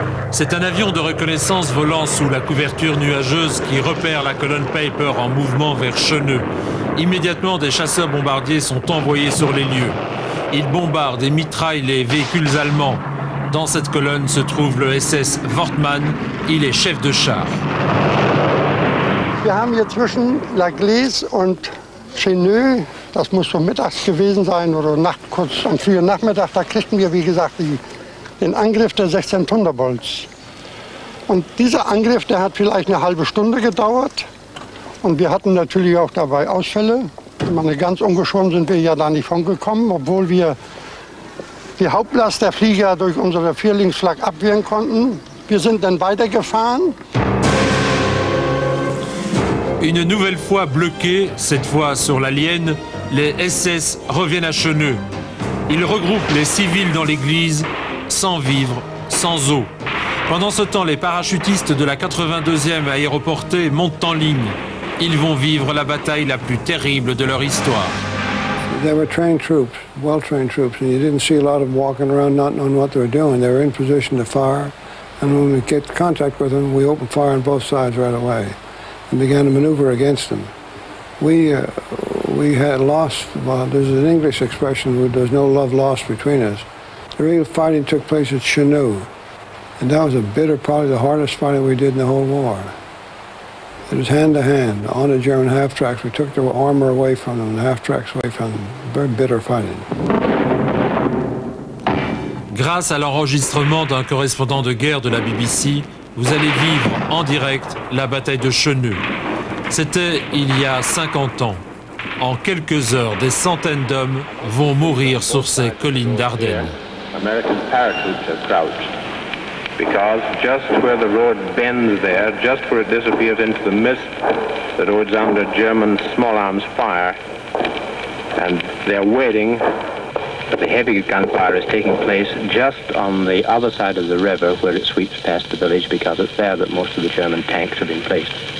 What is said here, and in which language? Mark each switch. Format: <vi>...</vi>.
<fr>C'est un avion de reconnaissance volant sous la couverture nuageuse qui repère la colonne Piper en mouvement vers Cheneux. Immédiatement, des chasseurs-bombardiers sont envoyés sur les lieux. Ils bombardent et mitraillent les véhicules allemands. Dans cette colonne se trouve le SS Wortmann. Il est chef de char.</fr> <de>Wir haben hier zwischen La Glise und Cheneux, das muss so mittags gewesen sein oder nacht kurz am frühen Nachmittag, da kriegten wir, wie gesagt, den Angriff der 16 Thunderbolts. Und dieser Angriff, der hat vielleicht eine halbe Stunde gedauert. Und wir hatten natürlich auch dabei Ausfälle. Ich meine, ganz ungeschoren sind wir ja da nicht von gekommen, obwohl wir die Hauptlast der Flieger durch unsere Vierlingsflak abwehren konnten. Wir sind dann weitergefahren.</de> <fr>Une nouvelle fois bloqués, cette fois sur la Lienne, les SS reviennent à Cheneux. Ils regroupent les civils dans l'église, sans vivre, sans eau. Pendant ce temps, les parachutistes de la 82e aéroportée montent en ligne. Ils vont vivre la bataille la plus terrible de leur histoire.</fr> <en>They were trained troops, well-trained troops, and you didn't see a lot of them walking around not knowing what they were doing. They were in position to fire, and when we get contact with them, we opened fire on both sides right away and began to maneuver against them. We had lost, well, there's an English expression, where there's no love lost between us. The real fighting took place at Cheneux, and that was a bitter, probably the hardest fighting we did in the whole war. It was hand to hand on the German half tracks. We took their armor away from them, the half tracks away from them. Very bitter fighting.</en> <fr>Grâce à l'enregistrement d'un correspondant de guerre de la BBC, vous allez vivre en direct la bataille de Cheneux. C'était il y a 50 ans. En quelques heures, des centaines d'hommes vont mourir sur ces collines d'Ardennes.</fr> <en>American parachutes have crouched. Because just where the road bends there, just where it disappears into the mist, the road's under German small arms fire. And they're waiting. The heavy gunfire is taking place just on the other side of the river where it sweeps past the village, because it's there that most of the German tanks have been placed.</en>